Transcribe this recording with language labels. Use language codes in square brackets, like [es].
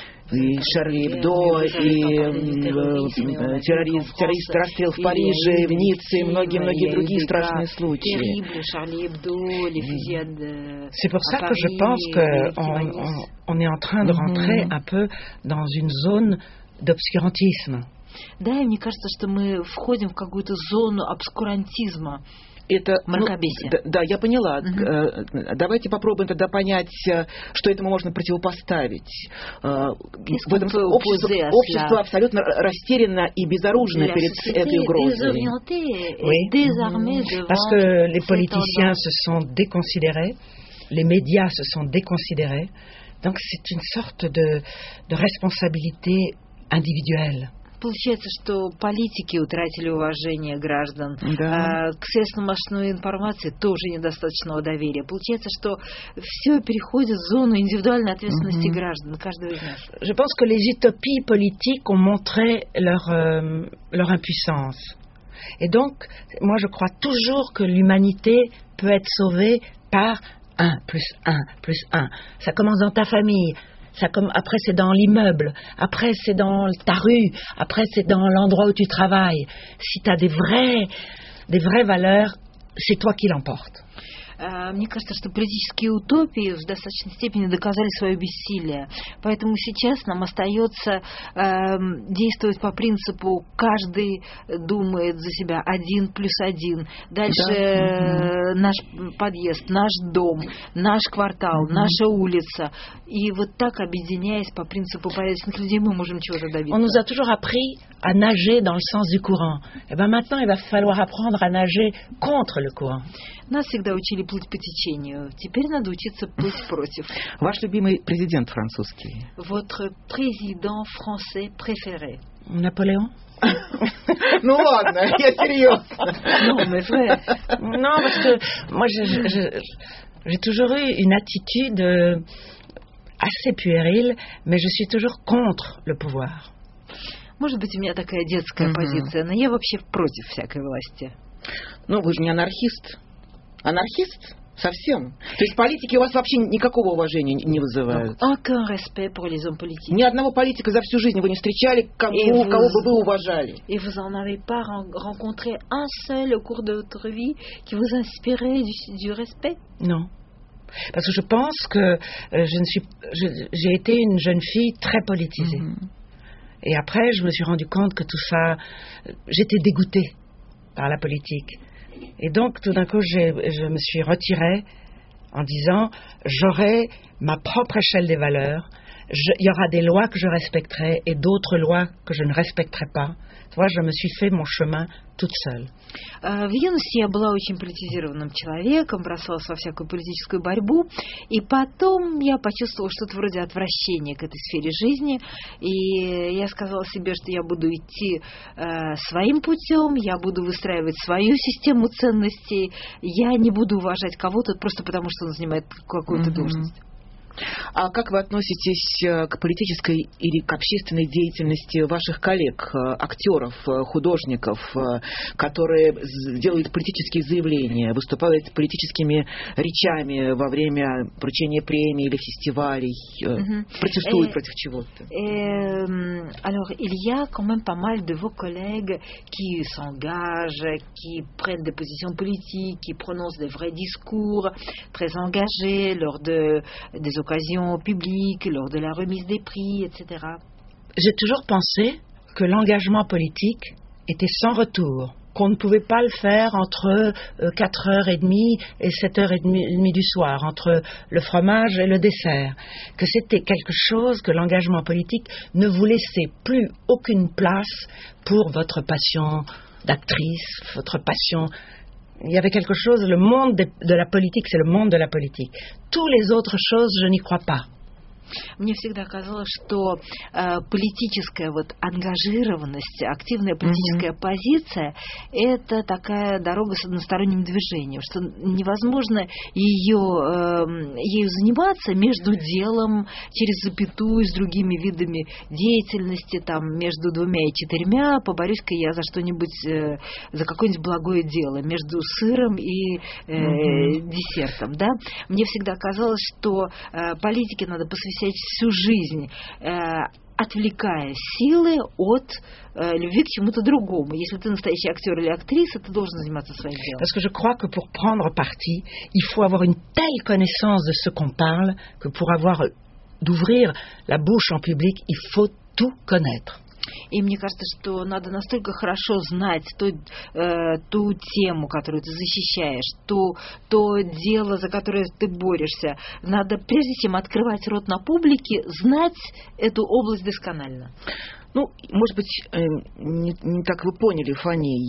[ru] И Шарли Эбдо, и террорист, расстрел в Париже, в Ницце, и многие-многие другие страшные случаи. [fr] C'est pour ça que je pense qu'on est en train de rentrer un peu dans une zone d'obscurantisme. [ru] Да, мне кажется, что мы входим в какую-то зону обскурантизма. Это, да, я поняла. Uh-huh. Давайте попробуем тогда понять, что этому можно противопоставить. В этом общество абсолютно растеряно и безоружно перед этой угрозой. [fr] Parce que les politiciens se sont déconsidérés, les médias se sont déconsidérés. Donc c'est une sorte de responsabilité individuelle. [ru] Получается, что политики утратили уважение граждан. Да. К средствам массовой информации тоже недостаточного доверия. Получается, что все переходит в зону индивидуальной ответственности граждан, каждого из нас. [fr] Je pense que les utopies politiques ont montré leur impuissance. Et donc, moi je crois toujours que l'humanité peut être sauvée par 1 plus 1 plus 1. Ça commence dans ta famille. Après c'est dans l'immeuble, après c'est dans ta rue, après c'est dans l'endroit où tu travailles. Si tu as des vraies valeurs, c'est toi qui l'emportes. [ru] Мне кажется, что политические утопии в достаточной степени доказали свое бессилие. Поэтому сейчас нам остается действовать по принципу «каждый думает за себя, один плюс один». Дальше наш подъезд, наш дом, наш квартал, наша улица. И вот так, объединяясь по принципу порядочных людей, мы можем чего-то добиться. [fr] On nous a toujours appris à nager dans le sens du courant. Et ben maintenant, il va falloir apprendre à nager contre le courant. [ru] Нас всегда учили плыть по течению. Теперь надо учиться плыть против. Ваш любимый президент французский? [fr] Votre président français préféré. [ru] Наполеон? Ну ладно, я серьезно. [fr] Non, mais vrai. Non, parce que moi, j'ai toujours eu une attitude assez puérile, mais je suis toujours contre le pouvoir. [ru] Может быть, у меня такая детская позиция, но я вообще против всякой власти. Ну, вы же не анархист. Анархист? Совсем? То есть политики у вас вообще никакого уважения не вызывают? [fr] Aucun respect pour les hommes politiques. [ru] Ни одного политика за всю жизнь вы не встречали, кого бы вы уважали? [fr] Et vous en avez pas rencontré un seul au cours de votre vie qui vous inspirait du respect? Non. Parce que je pense que j'ai été une jeune fille très politisée. Et après, je me suis rendu compte que tout ça... J'étais dégoûtée par la politique. Et donc, tout d'un coup, je me suis retirée en disant, j'aurai ma propre échelle des valeurs, il y aura des lois que je respecterai et d'autres lois que je ne respecterai pas. Tu vois, je me suis fait mon chemin toute seule. [ru] В юности я была очень политизированным человеком, бросалась во всякую политическую борьбу, и потом я почувствовала что-то вроде отвращения к этой сфере жизни, и я сказала себе, что я буду идти своим путем, я буду выстраивать свою систему ценностей, я не буду уважать кого-то просто потому, что он занимает какую-то должность. А как вы относитесь к политической или к общественной деятельности ваших коллег, актеров, художников, которые делают политические заявления, выступают политическими речами во время вручения премий или фестивалей, протестуют против чего-то? [fr] Alors, il y a quand même pas mal de vos collègues qui s'engagent, qui prennent des positions politiques, qui prononcent des vrais discours, très engagés lors des occasions publique, lors de la remise des prix, etc. J'ai toujours pensé que l'engagement politique était sans retour. qu'on ne pouvait pas le faire entre 4h30 et 7h30 du soir, entre le fromage et le dessert. Que c'était quelque chose que l'engagement politique ne vous laissait plus aucune place pour votre passion d'actrice, votre passion... Il y avait quelque chose, le monde de la politique, c'est le monde de la politique. Toutes les autres choses, je n'y crois pas. [ru] Мне всегда казалось, что политическая вот ангажированность, активная политическая позиция – это такая дорога с односторонним движением, что невозможно ею заниматься между делом, через запятую, с другими видами деятельности, там, между двумя и четырьмя, поборюсь-ка я за что-нибудь, за какое-нибудь благое дело, между сыром и десертом. Да? Мне всегда казалось, что политике надо посвящать всю жизнь, отвлекая силы от любви к чему-то другому. Если ты настоящий актер или актриса, ты должен заниматься своим делом. [fr] Parce que je crois que pour prendre parti, il faut avoir une telle connaissance de ce qu'on parle que pour avoir d'ouvrir la bouche en public, il faut tout connaître. [ru] И мне кажется, что надо настолько хорошо знать ту тему, которую ты защищаешь, то дело, за которое ты борешься. Надо, прежде чем открывать рот на публике, знать эту область досконально. Ну, может быть, не так вы поняли, Фани.